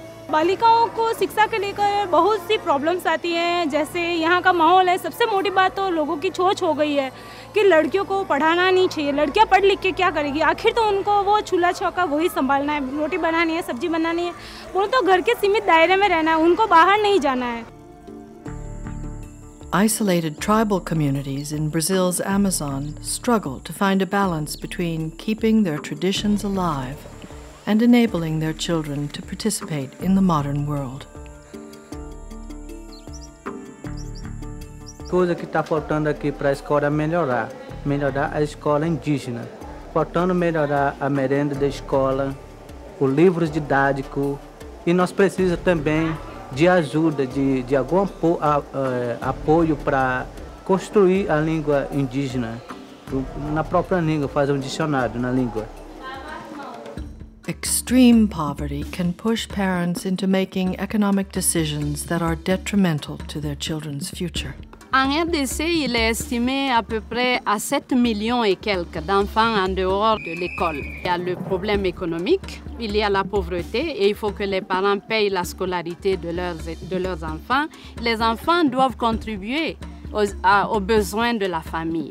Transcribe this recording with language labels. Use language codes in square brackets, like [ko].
[hi] बालिकाओं को शिक्षा के लेकर बहुत सी प्रॉब्लम्स आती हैं जैसे यहाँ का माहौल है सबसे मोटी बात तो लोगों की सोच हो गई है कि लड़कियों को पढ़ाना नहीं चाहिए लड़कियाँ पढ़ लिख के क्या करेगी आखिर तो उनको वो चूल्हा चौका वही संभालना है रोटी बनानी है सब्जी बनानी है बोलो तो घर के सीमित दायरे में रहना है उनको बाहर नहीं जाना है [en] Isolated tribal communities in Brazil's Amazon struggle to find a balance between keeping their traditions alive and enabling their children to participate in the modern world. [pt] Coisa que está faltando aqui para a escola melhorar a escola indígena, faltando melhorar a merenda da escola, o livro didático, e nós precisa também de ajuda, de algum apoio para construir a língua indígena, na própria língua, fazer dicionário na língua. [en] Extreme poverty can push parents into making economic decisions that are detrimental to their children's future. [fr] En RDC, il est estimé à peu près à 7 millions et quelques d'enfants en dehors de l'école. Il y a le problème économique, il y a la pauvreté et il faut que les parents payent la scolarité de leurs enfants. Les enfants doivent contribuer aux besoins de la famille.